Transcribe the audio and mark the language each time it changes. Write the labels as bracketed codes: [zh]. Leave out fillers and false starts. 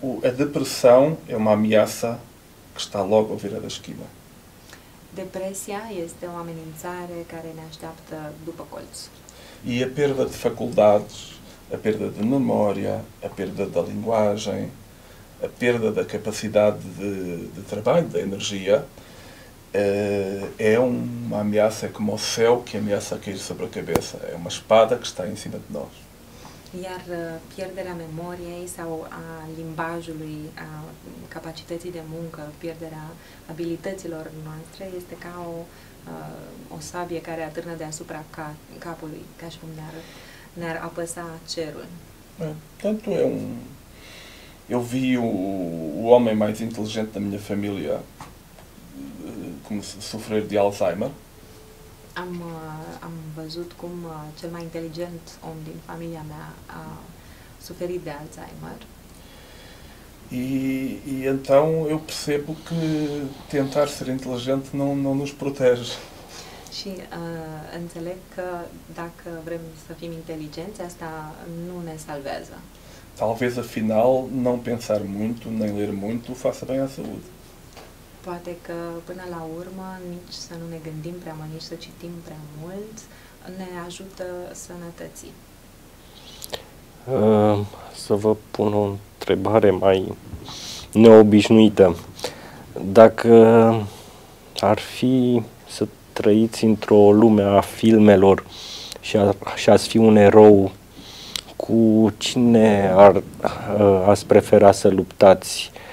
[pt] A depressão é uma ameaça que está logo à vira da esquina. [ro] Depresia este o amenințare care ne așteaptă după colț. [pt] E a perda de faculdades, a perda de memória, a perda da linguagem, a perda da capacidade de trabalho, da energia, é uma ameaça, é como o céu que ameaça a cair sobre a cabeça, é uma espada que está em cima de nós. [ro] iar pierderea memoriei sau a limbajului, a capacității de muncă, pierderea abilităților noastre este ca o sabie care atârnă deasupra capului, ca și cum ne-ar apăsa cerul. [pt] Tanto é eu vi o homem mais inteligente da minha família sofrer de Alzheimer. [ro] Am văzut cum cel mai inteligent om din familia mea a suferit de Alzheimer. [pt] E então eu percebo que tentar ser inteligente não nos protege. [ro] Și înțeleg că dacă vrem să fim inteligenți, asta nu ne salvează. [pt] Talvez afinal não pensar muito, nem ler muito, faça bem à saúde. [ro] Poate că până la urmă nici să nu ne gândim prea mult, nici să citim prea mult, ne ajută sănătății. Să vă pun o întrebare mai neobișnuită. Dacă ar fi să trăiți într-o lume a filmelor și ați fi un erou, cu cine ați prefera să luptați?